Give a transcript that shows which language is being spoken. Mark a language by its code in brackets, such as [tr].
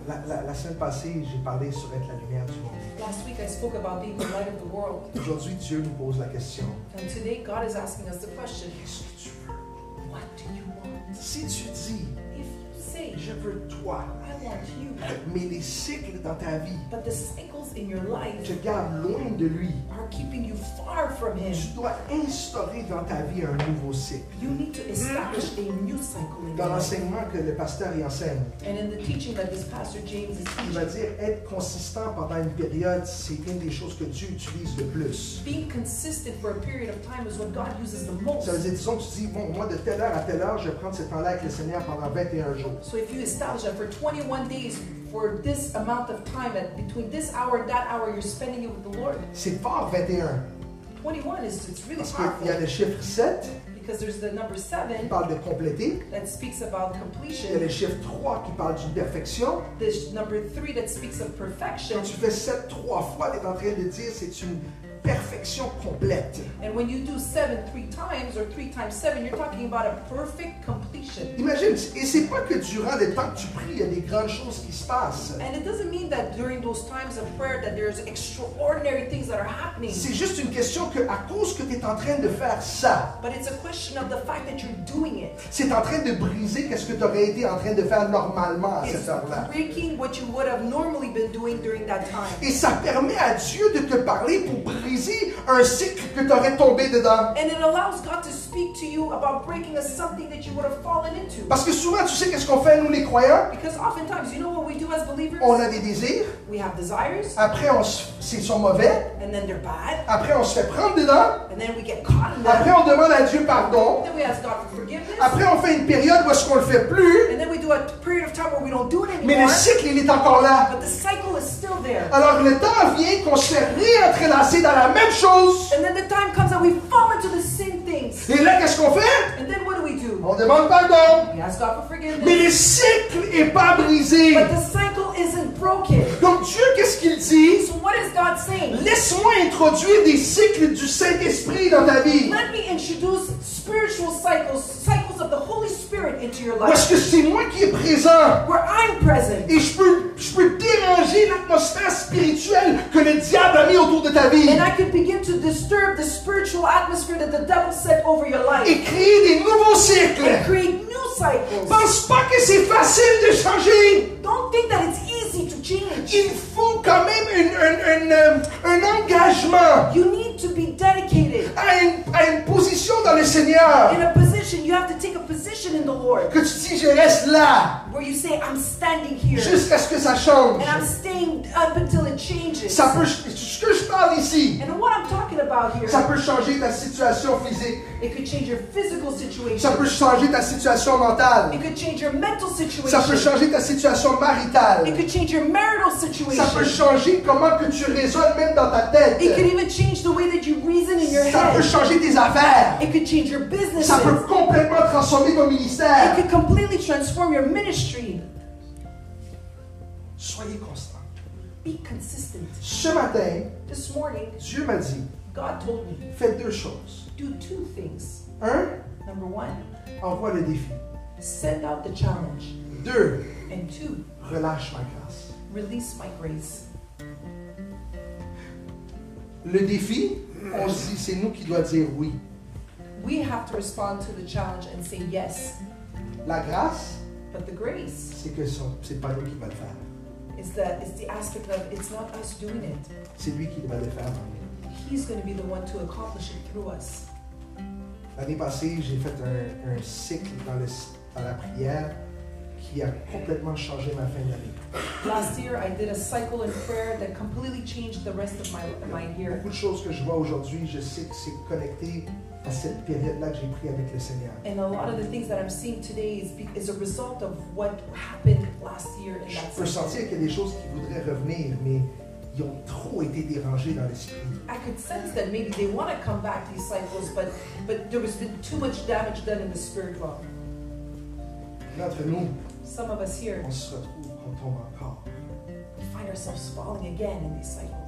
[fr] La semaine passée, j'ai parlé sur être la lumière du monde. [en] Last week I spoke about being the light of the world. [fr] Aujourd'hui, Dieu nous pose la question. [en] And today God is asking us the question. [fr] Qu'est-ce que tu veux? [en] What do you want? [fr] Si tu dis, [en] if you say, [fr] je veux toi. [en] I want you. [fr] Mais les cycles dans ta vie. [en] But the cycles in your life. [fr] Te gardent loin de lui. [en] Keeping you far from him. [fr] Tu dois instaurer dans ta vie un nouveau cycle. [en] You need to establish a new cycle. [fr] Dans l'enseignement que le pasteur y enseigne. [en] And in the teaching that this pastor James is teaching. [fr] Il va dire être consistant pendant une période, c'est une des choses que Dieu utilise le plus. [en] Being consistent for a period of time is what God uses the most. [fr] Ça veut dire, disons, tu dis, bon, moi de telle heure à telle heure, je vais prendre ce temps-là avec le Seigneur pendant 21 jours. [en] So if you establish that for 21 days. For this amount of time, between this hour and that hour, you're spending it with the Lord. [fr] C'est fort, 21. [en] 21 is—it's really powerful. [fr] Parce qu'il y a le chiffre 7. [en] Because there's the number 7. [fr] Qui parle de compléter. [en] That speaks about completion. [fr] Il y a le chiffre 3 qui parle d'une perfection. [en] This number 3 that speaks of perfection. [fr] Quand tu fais 7 trois fois, t'es en train de dire c'est une perfection complète. [en] And when you do 7 three times or 3 times 7, you're talking about a perfect completion. [fr] Imagine, et c'est pas que durant le temps que tu pries, il y a des grandes choses qui se passent. [en] And it doesn't mean that during those times of prayer that there's extraordinary things that are happening. [fr] C'est juste une question que à cause que tu es en train de faire ça. [en] But it's a question of the fact that you're doing it. [fr] C'est en train de briser qu'est-ce que tu aurais été en train de faire normalement à [en] it's [fr] cette heure-là. [en] It's breaking what you would have normally been doing during that time. [fr] Et ça permet à Dieu de te parler pour briser un cycle que tu aurais tombé dedans. [en] And it allows God to speak to you about breaking a something that you would have fallen into. [fr] Parce que souvent, tu sais qu'est-ce qu'on fait nous les croyants? [en] Because oftentimes, you know what we do as believers? [fr] On a des désirs. [en] We have desires. [fr] Après, ils sont mauvais. [en] And then they're bad. [fr] Après, on se fait prendre dedans. [en] And then we get caught in them. [fr] Après, on demande à Dieu pardon. [en] Then we ask God for forgiveness. [fr] Après, on fait une période où est-ce qu'on le fait plus. [en] And then we do a period of time where we don't do it anymore. [fr] Mais le cycle, il est encore là. [en] But the cycle is still there. [fr] Alors, le temps vient qu'on s'est réentrelacé dans la même chose. [en] And then the time comes that we fall into the same things. [fr] Et là, qu'est-ce qu'on fait? [en] And then what do? [fr] On demande pardon. [en] We ask God for forgiveness. [fr] Mais le cycle est pas brisé. [en] But the cycle isn't broken. [fr] Donc Dieu, qu'est-ce qu'il dit? [en] So what is God saying? [fr] Laisse-moi introduire des cycles du Saint-Esprit dans ta vie. [en] Let me introduce spiritual cycles, cycles of the Holy Spirit into your life. [fr] Parce que c'est moi qui est présent. [en] Where I'm present. [fr] Et je peux déranger l'atmosphère spirituelle que le diable a mis autour de ta vie. [en] And I can begin to disturb the spiritual atmosphere that the devil set over your life. [fr] Et créer des nouveaux cycles. [en] And create new cycles. [fr] Pense pas que c'est facile de changer. [en] Don't think that it's easy to change. [fr] Il faut quand même un engagement. [en] You need to be dedicated. [fr] À une position dans le Seigneur. [en] In a position, you have to take a position in the Lord. [fr] Que tu dis, je reste là. [en] Where you say, I'm standing here. [fr] Jusqu'à ce que ça change. [en] And I'm staying up until it changes. [fr] Ça peut, ce que je parle ici, [en] and what I'm talking about here, [fr] ça peut changer ta situation physique. [en] It could change your physical situation. [fr] Ça peut changer ta situation mentale. [en] It could change your mental situation. [fr] Ça peut changer ta situation maritale. [en] It could change your marital situation. [fr] Ça peut changer comment que tu raisonnes même dans ta tête. [en] It could even change the way that you reason in your [fr] ça [en] head. [fr] Ça peut changer tes affaires. [en] It could change your business. [fr] Ça peut complètement transformer ton ministère. [en] It could completely transform your ministry. [fr] Soyez constant. [en] Be consistent. [fr] Ce matin, [en] this morning, [fr] Dieu m'a dit, [en] God told me, [fr] fais deux choses. [en] Do two things. [fr] Un, [en] number one, [fr] envoie le défi. [en] Send out the challenge. [fr] Deux, [en] and two, [fr] relâche ma grâce. [en] Release my grace. [fr] Le défi, on se dit, c'est nous qui doit dire oui. [en] We have to respond to the challenge and say yes. [fr] La grâce, [en] but the grace, [fr] c'est que c'est pas nous qui va le faire. [en] It's the aspect of it's not us doing it. [fr] C'est lui qui va le faire. [en] He's going to be the one to accomplish it through us. [fr] L'année passée, j'ai fait un cycle dans la prière qui a complètement changé ma fin d'année. [en] Last year, I did a cycle in prayer that completely changed the rest of my year. [fr] Beaucoup de choses que je vois aujourd'hui, je sais que c'est connecté à cette période-là que j'ai pris avec le Seigneur. [en] And a lot of the things that I'm seeing today is a result of what happened last year. [fr] Je peux sentir qu'il y a des choses qui voudraient revenir, mais ils ont trop été dérangés dans l'esprit. [en] I could sense that maybe they want to come back these cycles, but there has been too much damage done in the spirit realm. [fr] D'entre nous, [en] some of us here, [fr] on se retrouve, on tombe encore. [en] We find ourselves falling again in these cycles.